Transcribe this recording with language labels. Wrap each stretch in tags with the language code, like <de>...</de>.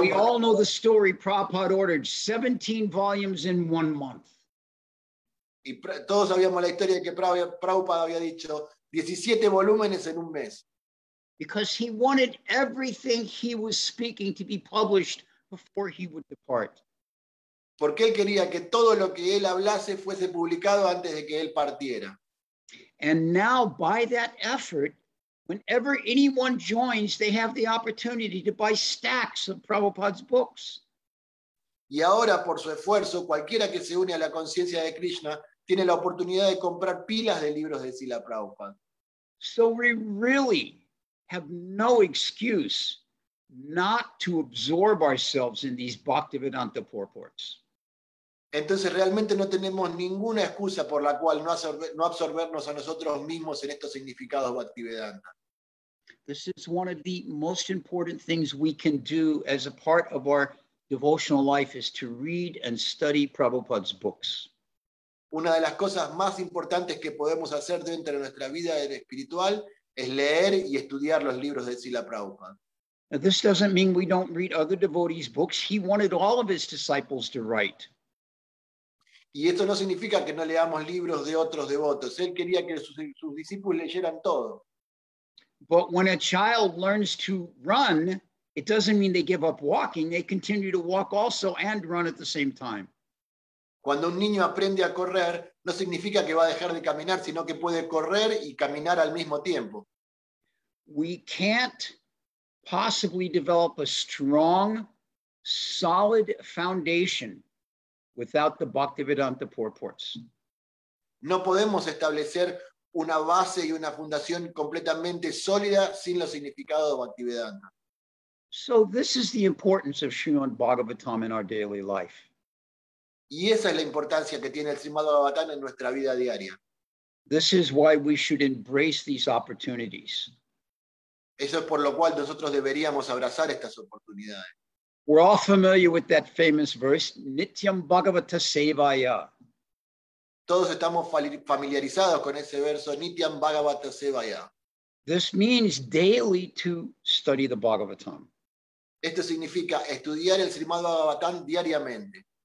<en>we all know the story Prabhupada ordered, 17 volumes in 1 month.</en> <es>Y todos sabíamos la historia que Prabhupada había dicho 17 volúmenes en un mes.</es> <en>Because he wanted everything he was speaking to be published before he would depart.</en> <es>Porque él quería que todo lo que él hablase fuese publicado antes de que él partiera.</es> <en>And now by that effort, whenever anyone joins, they have the opportunity to buy stacks of Prabhupada's books.</en> <es>Y ahora, por su esfuerzo, cualquiera que se une a la conciencia de Krishna tiene la oportunidad de comprar pilas de libros de Srila Prabhupada.</es> <en>So we really have no excuse not to absorb ourselves in these Bhaktivedanta purports.</en> <es>Entonces realmente no tenemos ninguna excusa por la cual no absorbernos a nosotros mismos en estos significados de Bhaktivedanta.</es> <en>This is one of the most important things we can do as a part of our devotional life is to read and study Prabhupada's books.</en> <es>Una de las cosas más importantes que podemos hacer dentro de nuestra vida espiritual es leer y estudiar los libros de Srila Prabhupada.</es> <en>Now, this doesn't mean we don't read other devotees' books. He wanted all of his disciples to write.</en> <es>Y esto no significa que no leamos libros de otros devotos. Él quería que sus discípulos leyeran todo.</es> <en>But when a child learns to run, it doesn't mean they give up walking. They continue to walk also and run at the same time.</en> <es>Cuando un niño aprende a correr, no significa que va a dejar de caminar, sino que puede correr y caminar al mismo tiempo.</es> <en>We can't possibly develop a strong, solid foundation without the Bhaktivedanta purports.</en> <es>No podemos establecer una base y una fundación completamente sólida sin los significados de Bhaktivedanta.</es> <en>So this is the importance of Srimad Bhagavatam in our daily life.</en> <es>Y esa es la importancia que tiene el Srimad Bhagavatam en nuestra vida diaria.</es> <en>This is why we should embrace these opportunities.</en> <es>Eso es por lo cual nosotros deberíamos abrazar estas oportunidades.</es> <en>We're all familiar with that famous verse, Nityam Bhagavata Sevaya.</en> <es>Todos estamos familiarizados con ese verso, Nityam Bhagavata Sevaya.</es> <en>This means daily to study the Bhagavatam.</en> <es>Esto significa estudiar el Srimad Bhagavatam diariamente.</es>